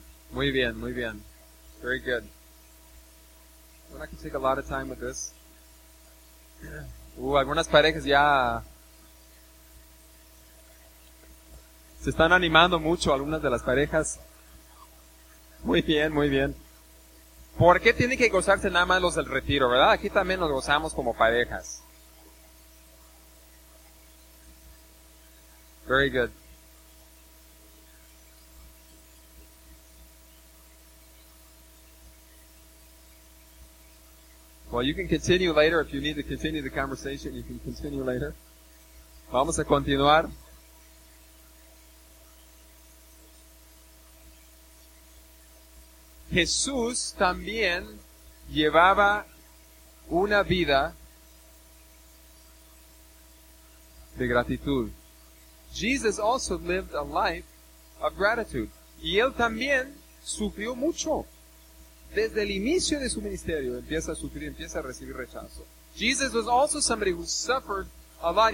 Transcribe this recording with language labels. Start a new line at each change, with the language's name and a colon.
Spanish: Muy bien, muy bien.
English: Very good. We're not going to take a lot of time with this.
Spanish: Algunas parejas ya se están animando mucho, algunas de las parejas. Muy bien, muy bien. ¿Por qué tienen que gozarse nada más los del retiro, verdad? Aquí también nos gozamos como parejas.
English: Very good. Well, you can continue later if you need to continue the conversation. You can continue later.
Spanish: Vamos a continuar. Jesús también llevaba una vida de gratitud.
English: Jesus also lived a life of gratitude.
Spanish: Y él también sufrió mucho. Desde el inicio de su ministerio empieza a sufrir, empieza a recibir rechazo.
English: Jesus was also somebody who suffered a lot.